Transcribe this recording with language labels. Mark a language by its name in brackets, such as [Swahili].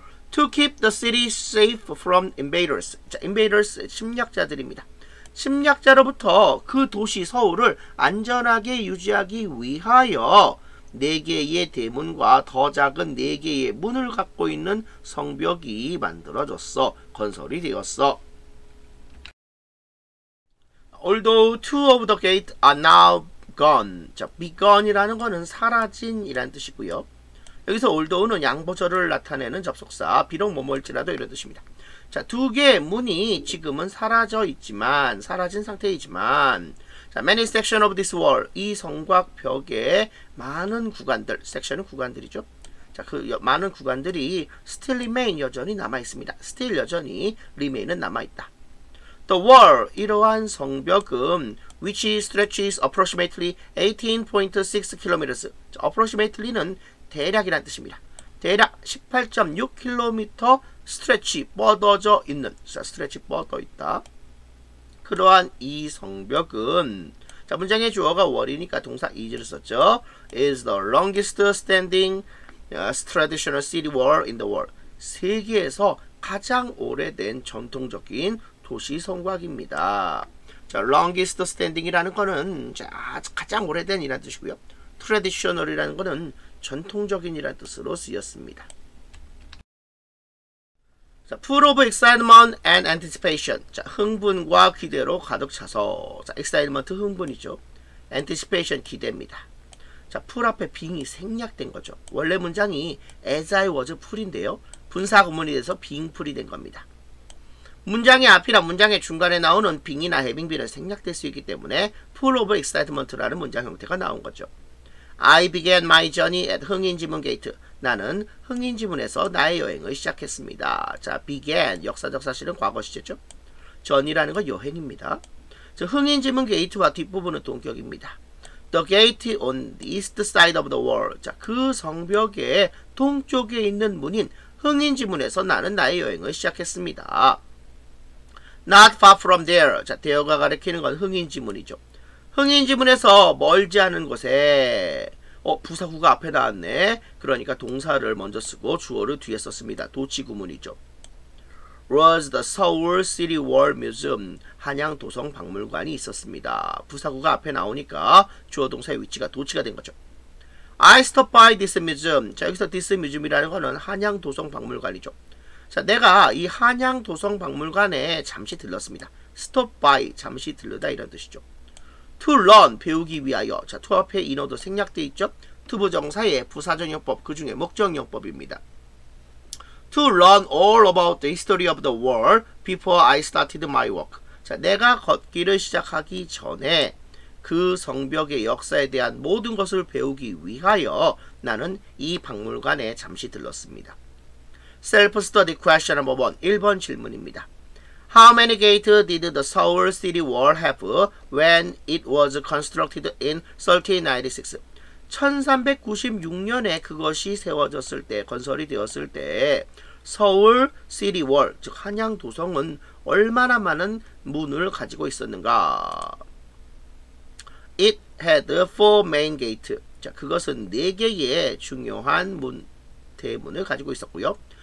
[English] to keep the city safe from invaders. [Korean] 자, invaders 침략자들입니다. 침략자로부터 그 도시 서울을 안전하게 유지하기 위하여 네 개의 대문과 더 작은 네 개의 문을 갖고 있는 성벽이 만들어졌어. 건설이 되었어. [English] Although two of the gates are now gone. [Korean] 자, be gone이라는 거는 사라진이라는 뜻이고요. 여기서 although는 양보절을 나타내는 접속사. 비록 뭐뭐일지라도 이런 뜻입니다. 자, 두 개의 문이 지금은 사라져 있지만, 사라진 상태이지만, 자, [English] many sections of this wall. [Korean] 이 성곽 벽에 많은 구간들, section은 구간들이죠. 자, 그 많은 구간들이 [English] still remain [Korean] 여전히 남아있습니다. [English] still [Korean] 여전히 [English] remain은 [Korean] 남아있다. [English] The wall, [Korean] 이러한 성벽은 [English] which stretches approximately 18.6 km. [Korean] 자, approximately는 대략이란 뜻입니다. 대략 18.6km 스트레치 뻗어져 있는 자, 스트레치 뻗어 있다. 그러한 이 성벽은 자, 문장의 주어가 월이니까 동사 is를 썼죠. [English] is the longest standing traditional city wall in the world. [Korean] 세계에서 가장 오래된 전통적인 도시 성곽입니다. 자, longest standing이라는 거는 가장 오래된 이라는 뜻이고요. traditional이라는 거는 전통적인이라는 뜻으로 쓰였습니다. [English] So, full of excitement and anticipation. [Korean] 자, 흥분과 기대로 가득 차서. 자, excitement 흥분이죠. anticipation 기대입니다. 자, full 앞에 being이 생략된 거죠. 원래 문장이 as I was full인데요. 분사 구문이 돼서 being full이 된 겁니다. 문장의 앞이나 문장의 중간에 나오는 being이나 having been은 생략될 수 있기 때문에 full of excitement라는 문장 형태가 나온 거죠. [English] I began my journey at 흥인지문 게이트. [Korean] 나는 흥인지문에서 나의 여행을 시작했습니다. 자, began, 역사적 사실은 과거 시제죠. journey라는 건 여행입니다. 자, 흥인지문 게이트와 뒷부분은 동격입니다. [English] The gate on the east side of the wall. [Korean] 자, 그 성벽의 동쪽에 있는 문인 흥인지문에서 나는 나의 여행을 시작했습니다. [English] Not far from there. [Korean] 자, there가 가리키는 건 흥인지문이죠. 흥인지문에서 멀지 않은 곳에 부사구가 앞에 나왔네. 그러니까 동사를 먼저 쓰고 주어를 뒤에 썼습니다. 도치구문이죠. [English] Was the Seoul City War Museum [Korean] 한양도성박물관이 있었습니다. 부사구가 앞에 나오니까 주어 동사의 위치가 도치가 된 거죠. [English] I stopped by this museum. [Korean] 자, 여기서 this museum이라는 거는 한양도성박물관이죠. 자, 내가 이 한양도성박물관에 잠시 들렀습니다. Stop by, 잠시 들르다 이런 뜻이죠. To learn, 배우기 위하여. 자, to 앞에 인어도 생략되어 있죠. To 부정사의 부사전형법, 그 중에 목적형법입니다. [English] To learn all about the history of the world before I started my walk. [Korean] 자, 내가 걷기를 시작하기 전에 그 성벽의 역사에 대한 모든 것을 배우기 위하여 나는 이 박물관에 잠시 들렀습니다. [English] Self-study question number 1. [Korean] 1번 질문입니다. [English] How many gates did the Seoul City Wall have when it was constructed in 1396? [Korean] 1396년에 그것이 세워졌을 때, 건설이 되었을 때 서울 시티 월, 즉 한양도성은 얼마나 많은 문을 가지고 있었는가? [English] It had four main gates. [Korean] 자, 그것은 네 개의 중요한 문 대문을 가지고 있었고요.